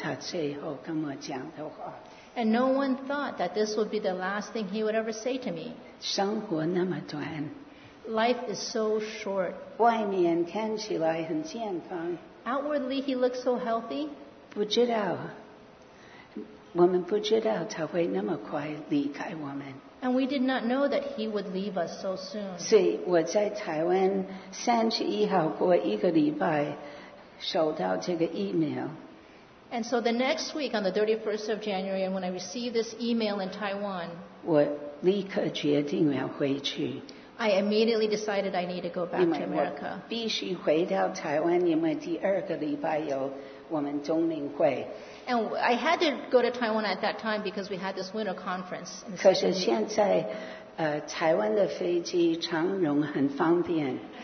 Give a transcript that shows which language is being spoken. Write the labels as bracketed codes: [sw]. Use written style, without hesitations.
[zh] 没有人想到是他最后跟我讲的话。 [en] And no one thought that this would be the last thing he would ever say to me. [zh] 生活那么短, [en] Life is so short. [zh] 外面看起来很健康, [en] Outwardly, he looks so healthy. [zh] 不知道, 我们不知道他会那么快离开我们。 [en] And we did not know that he would leave us so soon. [zh] 所以我在台湾31号过一个礼拜, 收到这个email。 [en] And so the next week, on the 31st of January, and when I received this email in Taiwan, [zh] 我立刻决定要回去, [en] I immediately decided I need to go back to America. [zh] 必须回到台湾, 因为第二个礼拜有我们冬令会。 [en] And I had to go to Taiwan at that time because we had this winter conference. [zh] 可是现在, 台湾的飞机长荣很方便。